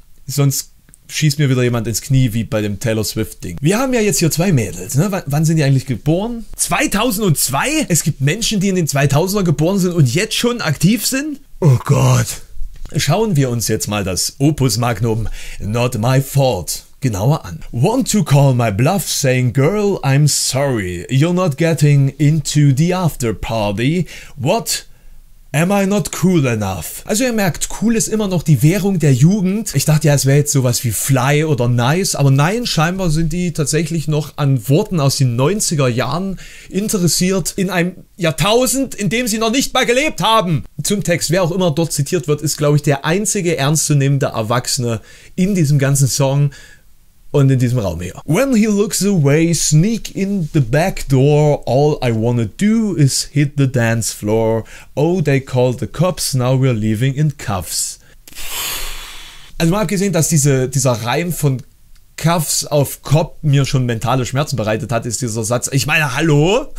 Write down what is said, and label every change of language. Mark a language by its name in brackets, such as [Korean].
[German] Sonst schießt mir wieder jemand ins Knie, wie bei dem Taylor Swift-Ding. Wir haben ja jetzt hier 2 Mädels. Ne? Wann sind die eigentlich geboren? 2002? Es gibt Menschen, die in den 2000er geboren sind und jetzt schon aktiv sind? Oh Gott. Schauen wir uns jetzt mal das Opus Magnum Not My Fault genauer an. [English] Want to call my bluff saying, girl, I'm sorry, you're not getting into the after party. What? Am I not cool enough? [German] Also ihr merkt, cool ist immer noch die Währung der Jugend. Ich dachte ja, es wäre jetzt sowas wie fly oder nice, aber nein, scheinbar sind die tatsächlich noch an Worten aus den 90er Jahren interessiert in einem Jahrtausend, in dem sie noch nicht mal gelebt haben. Zum Text, wer auch immer dort zitiert wird, ist glaube ich der einzige ernstzunehmende Erwachsene in diesem ganzen Song und in diesem Raum hier. [English] When he looks away, sneak in the back door. All I wanna do is hit the dance floor. Oh, they called the cops, now we're leaving in cuffs. [German] Also mal abgesehen, dass dieser Reim von Cuffs auf Cop mir schon mentale Schmerzen bereitet hat, ist dieser Satz, ich meine, hallo?